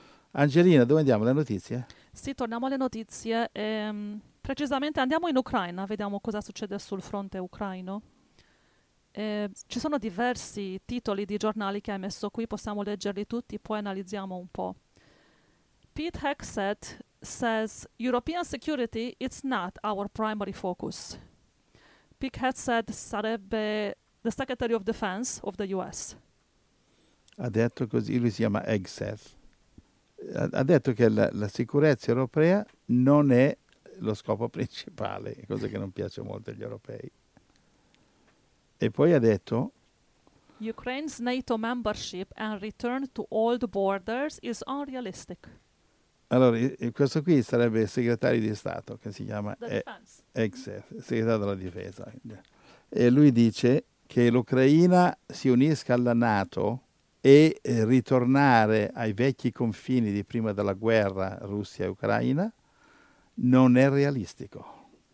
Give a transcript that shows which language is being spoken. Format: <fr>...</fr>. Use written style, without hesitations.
<it>Angelina, dove andiamo? Le notizie? Sì, torniamo alle notizie. Precisamente andiamo in Ucraina, vediamo cosa succede sul fronte ucraino. Ci sono diversi titoli di giornali che hai messo qui, possiamo leggerli tutti, poi analizziamo un po'. Pete Hegseth says, European security, it's not our primary focus.</it> <en>Pete Hegseth</en> <it>sarebbe</it> <en>the Secretary of Defense of the US.</en> <it>Ha detto così, lui si chiama Hegseth. Ha detto che la sicurezza europea non è lo scopo principale, cosa che non piace molto agli europei. E poi ha detto</it> <en>Ukraine's NATO membership and return to old borders is unrealistic.</en> <it>Allora, questo qui sarebbe il segretario di Stato che si chiama segretario della difesa. E lui dice che l'Ucraina si unisca alla NATO e ritornare ai vecchi confini di prima della guerra Russia-Ucraina non è realistico.</it>